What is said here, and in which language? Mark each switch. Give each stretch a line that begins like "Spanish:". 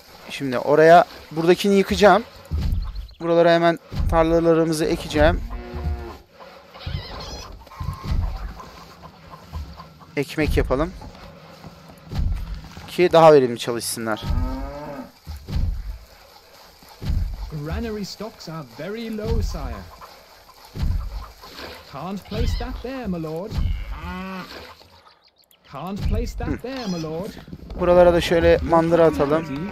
Turkish: Şimdi oraya buradakini yıkacağım. Buralara hemen tarlalarımızı ekeceğim. Ekmek yapalım. Ki daha verimli çalışsınlar.
English: Granary stocks are very low, sire. Can't place that there, my lord. Can't place that there, my lord.
Turkish: Buralara da şöyle mandıra atalım.